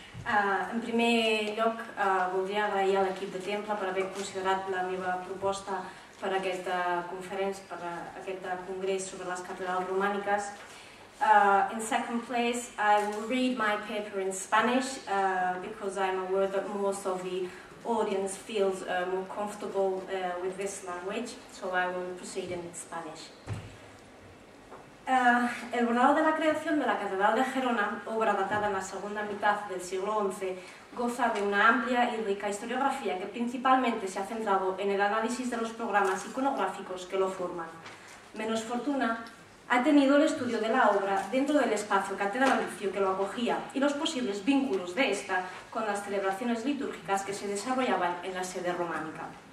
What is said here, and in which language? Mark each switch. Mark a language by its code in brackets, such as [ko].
[ca] En primer lloc, voldria agrair a l'equip de Temple per haver considerat la meva proposta per a aquesta conferència, per a aquest congrés sobre les catedrals romàniques. [en] In second place, I will read my paper in Spanish because I'm aware that most of the audience feels more comfortable with this language, so I will proceed in Spanish. [es] El grado de la creación de la Catedral de Gerona, obra datada en la segunda mitad del siglo XI, goza de una amplia y rica historiografía que principalmente se ha centrado en el análisis de los programas iconográficos que lo forman. Menos fortuna ha tenido el estudio de la obra dentro del espacio catedralicio que lo acogía y los posibles vínculos de esta con las celebraciones litúrgicas que se desarrollaban en la sede románica.